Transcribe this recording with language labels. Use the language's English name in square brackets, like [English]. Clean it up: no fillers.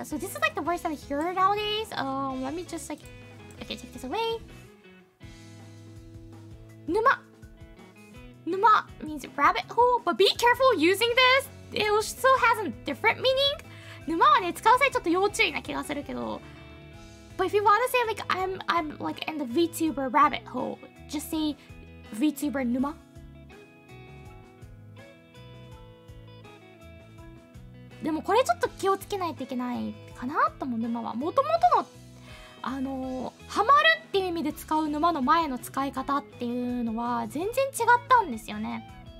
[English] So this is like the words that I hear nowadays. Let me just like, okay, take this away. [Japanese] 沼。 [English] 沼 means rabbit hole, but be careful using this. It also has a different meaning. [Japanese] 沼はね、使う際ちょっと要注意な気がするけど。 [English] But if you want to say like, I'm like in the VTuber rabbit hole, just say VTuber 沼。 [Japanese] でもこれちょっと気をつけないといけないかなと思う、沼は。もともとの、ハマるっていう意味で使う沼の前の使い方っていうのは全然違ったんですよね。